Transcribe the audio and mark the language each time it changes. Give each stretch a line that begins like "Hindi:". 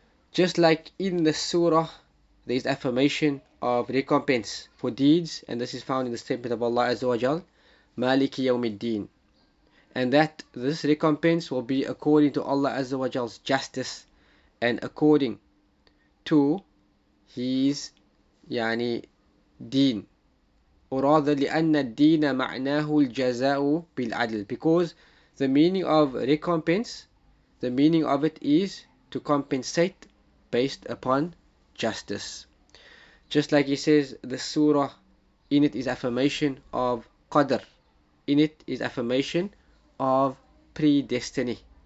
English: Just like in the surah, there is affirmation of recompense for deeds, and this is found in the statement of Allah Azza wa Jal, Maliki Yawmiddin. And that this recompense will be according to Allah Azza wa Jal's justice and according to his Yani deen. Or rather,
Arabic: لِأَنَّ الدِّينَ مَعْنَاهُ الْجَزَاءُ بِالْعَدْلِ.
English: Because the meaning of recompense, the meaning of it is to compensate based upon justice. Just like he says, the surah, in it is affirmation of qadr. In it is affirmation of predestiny.